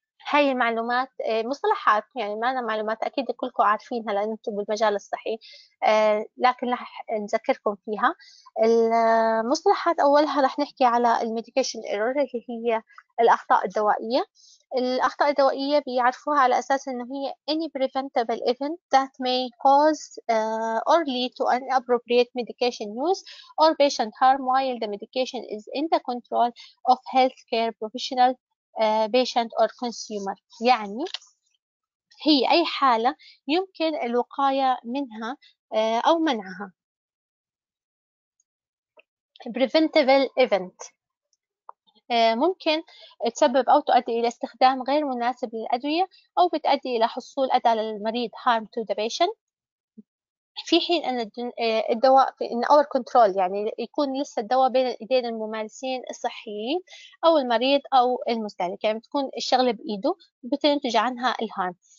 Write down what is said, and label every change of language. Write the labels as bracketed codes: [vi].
[ar] هاي المعلومات مصطلحات، يعني ما أنا معلومات أكيد كلكم عارفينها لأن أنتم بالمجال الصحي، لكن رح نذكركم فيها. المصطلحات أولها رح نحكي على الميديكيشن ايرور، اللي هي الأخطاء الدوائية. الأخطاء الدوائية بيعرفوها على أساس إنه هي [en] any preventable event that may cause or lead to an appropriate medication use or patient harm while the medication is in the control of healthcare professional patient or consumer. [ar] يعني هي أي حالة يمكن الوقاية منها أو منعها. [en] Preventable event [ar] ممكن تسبب أو تؤدي إلى استخدام غير مناسب للأدوية أو بتؤدي إلى حصول أذى للمريض [en] harm to the patient، [ar] في حين أن الدواء [en] in our control، [ar] يعني يكون لسه الدواء بين إيدين الممارسين الصحيين أو المريض أو المستهلك، يعني بتكون الشغلة بإيده بتنتج عنها الهارم.